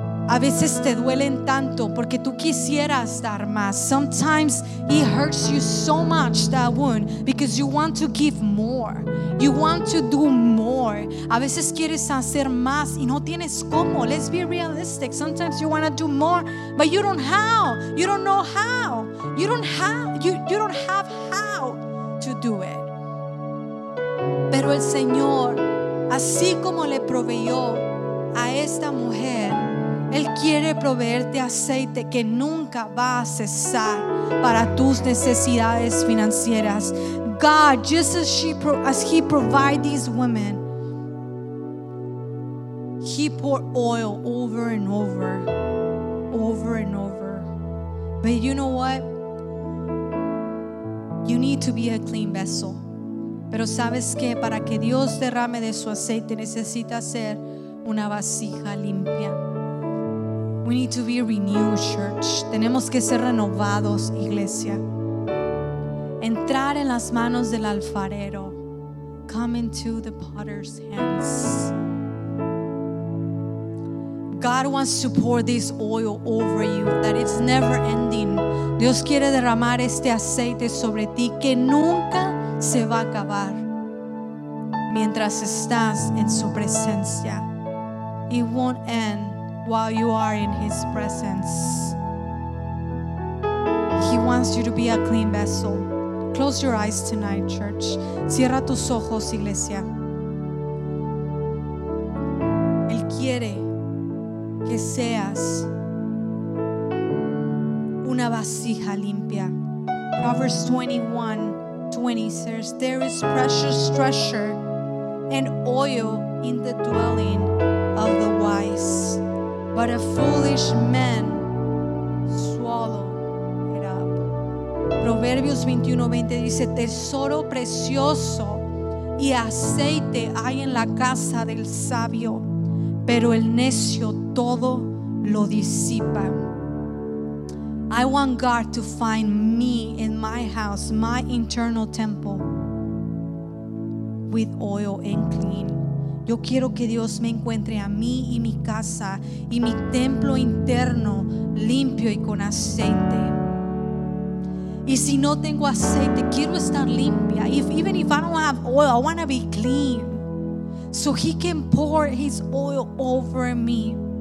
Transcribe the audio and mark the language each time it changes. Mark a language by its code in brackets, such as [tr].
[es] A veces te duelen tanto porque tú quisieras dar más. [en] Sometimes it hurts you so much, that wound, because you want to give more. You want to do more. [es] A veces quieres hacer más y no tienes cómo. [en] Let's be realistic. Sometimes you want to do more, but you don't how. You don't know how. You don't have how to do it. [es] Pero el Señor, así como le proveyó a esta mujer, Él quiere proveerte aceite que nunca va a cesar para tus necesidades financieras. [en] God, just as he provided these women, He poured oil over and over, over and over. But you know what? You need to be a clean vessel. [es] Pero sabes que para que Dios derrame de su aceite necesitas ser una vasija limpia. [en] We need to be renewed, church. [es] Tenemos que ser renovados, iglesia. Entrar en las manos del alfarero. [en] Come into the potter's hands. God wants to pour this oil over you that it's never ending. [es] Dios quiere derramar este aceite sobre ti que nunca se va a acabar mientras estás en su presencia. [en] It won't end while you are in His presence. He wants you to be a clean vessel. Close your eyes tonight, church. [es] Cierra tus ojos, iglesia. Él quiere que seas una vasija limpia. [en] Proverbs 21:20 says, there is precious treasure and oil in the dwelling of the wise, but a foolish man swallow it up. [es] Proverbios 21:20 dice, tesoro precioso y aceite hay en la casa del sabio, pero el necio todo lo disipa. [en] I want God to find me in my house, my internal temple, with oil and clean. [es] Yo quiero que Dios me encuentre a mí y mi casa y mi templo interno limpio y con aceite. Y si no tengo aceite, quiero estar limpia. [en] Even if I don't have oil, I want to be clean. So He can pour His oil over me.